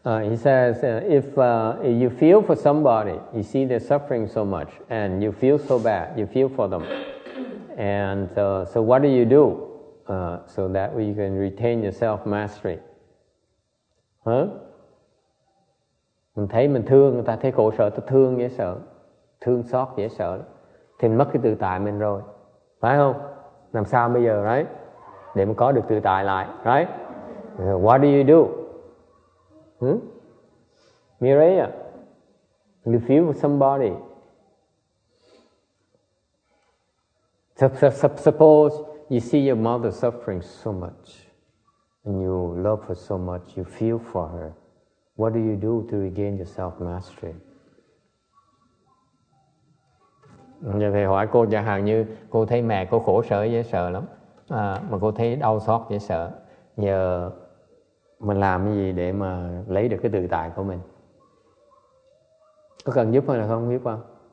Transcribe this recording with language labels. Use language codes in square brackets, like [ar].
[en] He says, if you feel for somebody, you see they're suffering so much, and you feel so bad, you feel for them. And so what do you do so that you can retain your self-mastery? Huh? [vi] Mình thấy mình thương, người ta thấy khổ sở, ta thương dễ sợ, thương xót dễ sợ. Thì mất cái tự tại mình rồi. Phải không? Làm sao bây giờ, right? Để mà có được tự tại lại, right? [en] What do you do? Mireya, you feel for somebody. Suppose you see your mother suffering so much and you love her so much, you feel for her. What do you do to regain your self-mastery? [vi] Giờ thầy hỏi cô, chẳng hạn như cô thấy mẹ cô khổ sở dễ sợ lắm. Mà cô thấy đau xót dễ sợ, giờ mình làm cái gì để mà lấy được cái tự tại của mình? Có cần giúp hay là không giúp không?